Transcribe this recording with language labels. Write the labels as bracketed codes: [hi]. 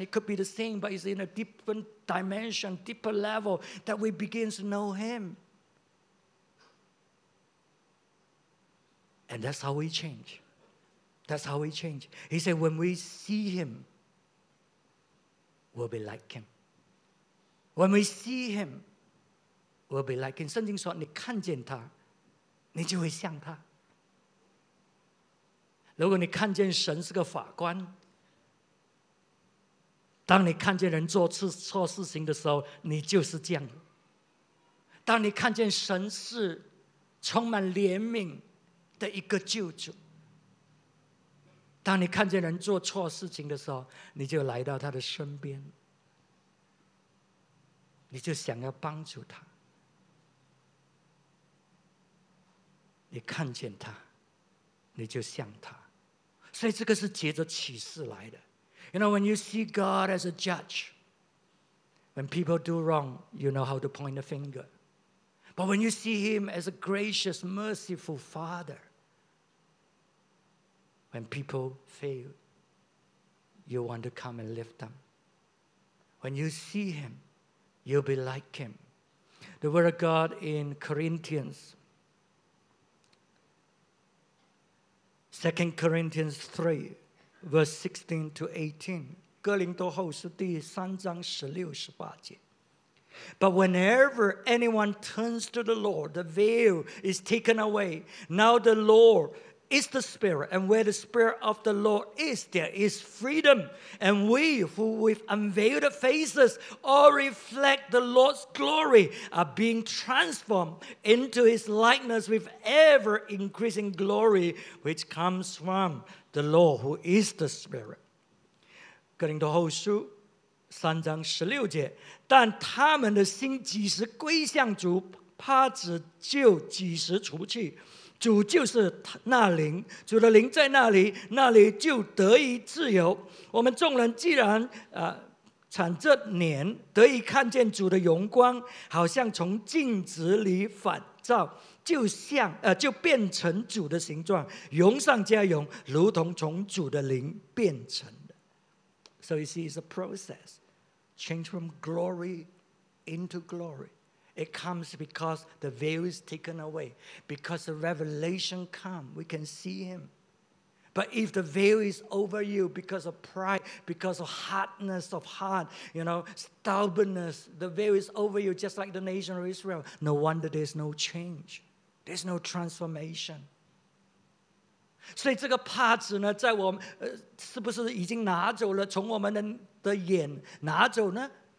[en] It could be the same, but it's in a different dimension, deeper level, that we begin to know Him. And that's how we change. That's how we change. He said, when we see Him, we'll be like Him. When we see Him, we'll be like Him. [zh] 圣经说，你看见他，你就会像他。如果你看见神是个法官，当你看见人做错事情的时候，你就是这样。当你看见神是充满怜悯的一个救主，当你看见人做错事情的时候，你就来到他的身边，你就想要帮助他。你看见他，你就像他。所以这个是借着启示来的。 [en] You know, when you see God as a judge, when people do wrong, you know how to point the finger. But when you see Him as a gracious, merciful Father, when people fail, you want to come and lift them. When you see Him, you'll be like Him. The Word of God in Corinthians, 2 Corinthians 3, Verse 16 to 18, [zh] 哥林多后书第三章十六十八节。 [en] But whenever anyone turns to the Lord, the veil is taken away. Now the Lord is the Spirit, and where the Spirit of the Lord is, there is freedom. And we who with unveiled faces all reflect the Lord's glory are being transformed into His likeness with ever increasing glory, which comes from the Lord who is the Spirit. [zh] 哥林多后书三章十六节，但他们的心几时归向主，帕子就几时除去。主就是那灵，主的灵在那里，那里就得以自由。我们众人既然产这年得以看见主的荣光，好像从镜子里反照，就像就变成主的形状，荣上加荣，如同从主的灵变成的。 [en] So you see, it's a process. Change from glory into glory. It comes because the veil is taken away. Because the revelation comes, we can see him. But if the veil is over you because of pride, because of hardness of heart, you know, stubbornness, the veil is over you just like the nation of Israel, no wonder there's no change. There's no transformation. [zh] 所以这个帕子呢,在我们,是不是已经拿走了,从我们的眼拿走呢?